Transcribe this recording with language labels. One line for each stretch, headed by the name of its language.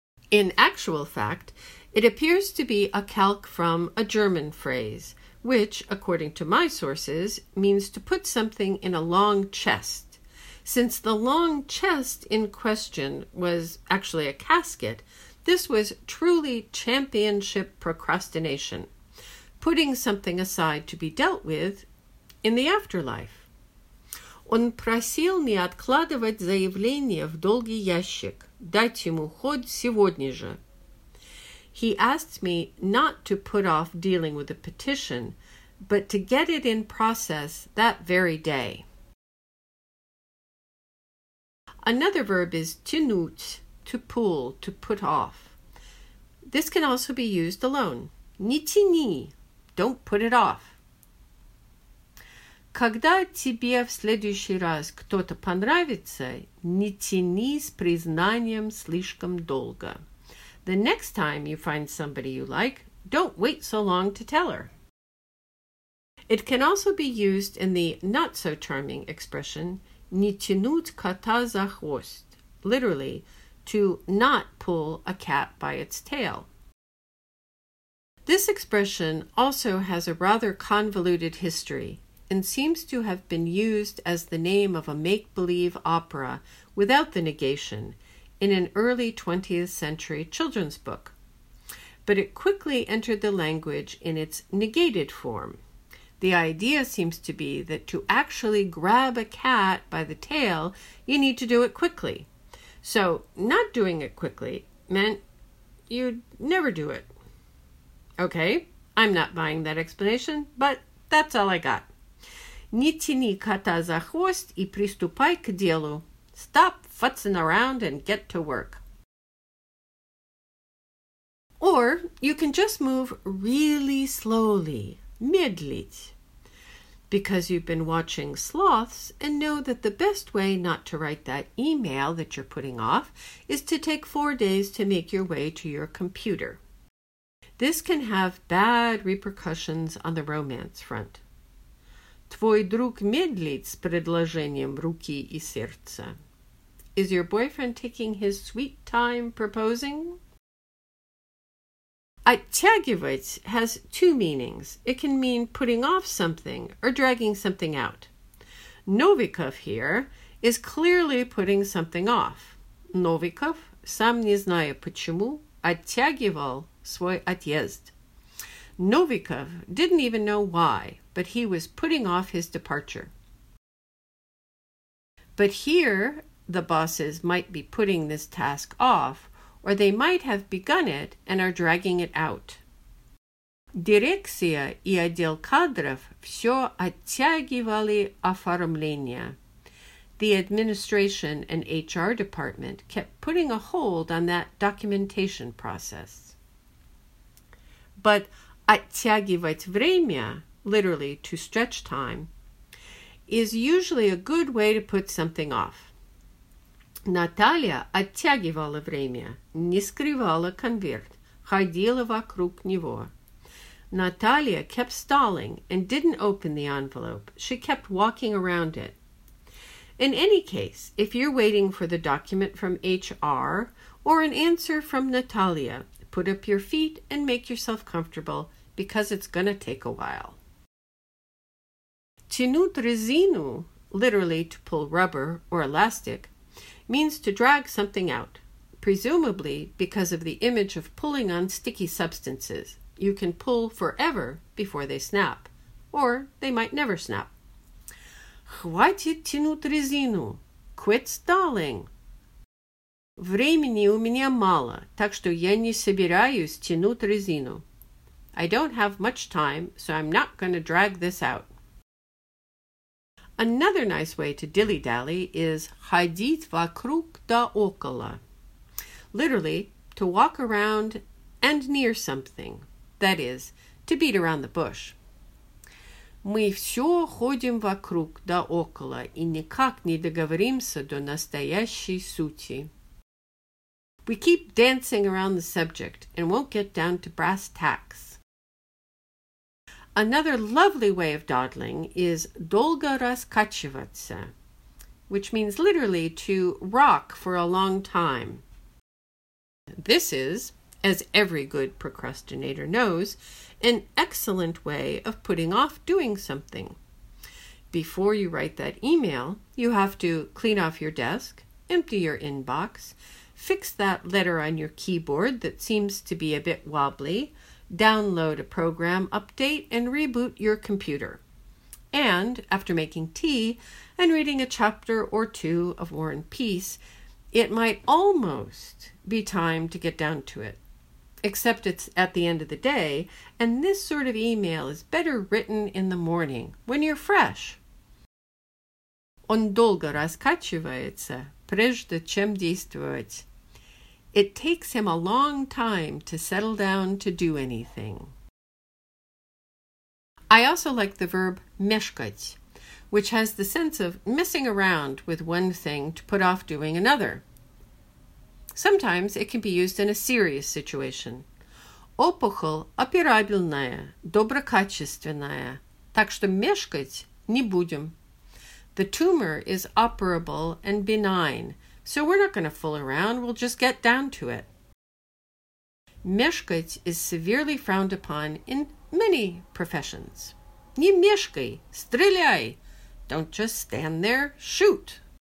English: In actual fact, it appears to be a calc from a German phrase, which, according to my sources, means to put something in a long chest. Since the long chest in question was actually a casket, this was truly championship procrastination, putting something aside to be dealt with in the afterlife.
Russian: Он просил не откладывать заявление в долгий ящик, дать ему ход сегодня же.
English: He asked me not to put off dealing with the petition, but to get it in process that very day. Another verb is тянуть, to pull, to put off. This can also be used alone.
Russian: Не тяни,
English: don't put it off.
Russian: Когда тебе в следующий раз кто-то понравится, не тяни с признанием слишком долго.
English: The next time you find somebody you like, don't wait so long to tell her. It can also be used in the not-so-charming expression
Russian: не тянуть кота за хвост,
English: literally, to not pull a cat by its tail. This expression also has a rather convoluted history, and seems to have been used as the name of a make-believe opera without the negation in an early 20th century children's book. But it quickly entered the language in its negated form. The idea seems to be that to actually grab a cat by the tail, you need to do it quickly. So not doing it quickly meant you'd never do it. Okay, I'm not buying that explanation, but that's all I got.
Russian: Не тяни кота за хвост и приступай к делу.
English: Stop futzing around and get to work. Or you can just move really slowly, медлить, because you've been watching sloths and know that the best way not to write that email that you're putting off is to take 4 days to make your way to your computer. This can have bad repercussions on the romance front.
Russian: Твой друг медлит с предложением руки и сердца.
English: Is your boyfriend taking his sweet time proposing? Оттягивать has two meanings. It can mean putting off something or dragging something out. Новиков here is clearly putting something off.
Russian: Новиков, сам не знаю почему, оттягивал свой отъезд.
English: Новиков didn't even know why, but he was putting off his departure. But here, the bosses might be putting this task off, or they might have begun it and are dragging it out.
Russian: Дирекция и отдел кадров все оттягивали оформление.
English: The administration and HR department kept putting a hold on that documentation process. But
Russian: оттягивать время,
English: literally to stretch time, is usually a good way to put something off.
Russian: Наталья оттягивала время, не скрывала конверт, ходила вокруг него.
English: Наталья kept stalling and didn't open the envelope. She kept walking around it. In any case, if you're waiting for the document from HR or an answer from Natalia, put up your feet and make yourself comfortable because it's going to take a while.
Russian: Тянуть резину,
English: literally to pull rubber or elastic, means to drag something out, presumably because of the image of pulling on sticky substances. You can pull forever before they snap, or they might never snap.
Russian: Хватит тянуть резину.
English: Quit stalling.
Russian: Времени у меня мало, так что я не собираюсь тянуть резину.
English: I don't have much time, so I'm not going to drag this out. Another nice way to dilly-dally is
Russian: ходить вокруг да около.
English: Literally, to walk around and near something. That is, to beat around the bush.
Russian: Мы все ходим вокруг да около и никак не договоримся до настоящей сути.
English: We keep dancing around the subject and won't get down to brass tacks. Another lovely way of dawdling is
Russian: долго раскачиваться,
English: which means literally to rock for a long time. This is, as every good procrastinator knows, an excellent way of putting off doing something. Before you write that email, you have to clean off your desk, empty your inbox, fix that letter on your keyboard that seems to be a bit wobbly, download a program update, and reboot your computer. And after making tea and reading a chapter or two of War and Peace, it might almost be time to get down to it. Except it's at the end of the day, and this sort of email is better written in the morning, when you're fresh.
Russian: Он долго раскачивается, прежде чем действовать.
English: It takes him a long time to settle down to do anything. I also like the verb мешкать, which has the sense of messing around with one thing to put off doing another. Sometimes it can be used in a serious situation.
Russian: Опухоль операбельная, доброкачественная, так что мешкать не будем.
English: The tumor is operable and benign, so we're not going to fool around, we'll just get down to it. Мешкать is severely frowned upon in many professions.
Russian: Не мешкай, стреляй.
English: Don't just stand there, shoot.